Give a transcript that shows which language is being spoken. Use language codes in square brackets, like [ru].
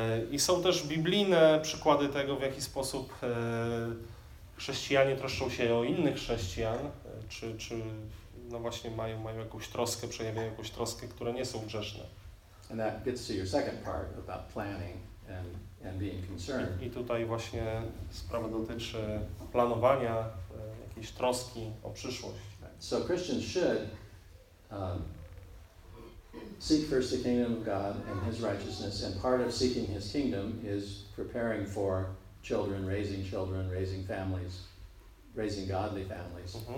[pl] I są też biblijne przykłady tego, w jaki sposób chrześcijanie troszczą się o innych chrześcijan, czy no właśnie mają jakąś troskę, przejawiają jakąś troskę, które nie są grzeszne. [en] And that gets to your second part about planning and being concerned. [pl] I tutaj właśnie sprawa dotyczy planowania jakiejś troski o przyszłość. [en] So Christians should seek first the kingdom of God and his righteousness, and part of seeking his kingdom is preparing for children, raising families, raising godly families.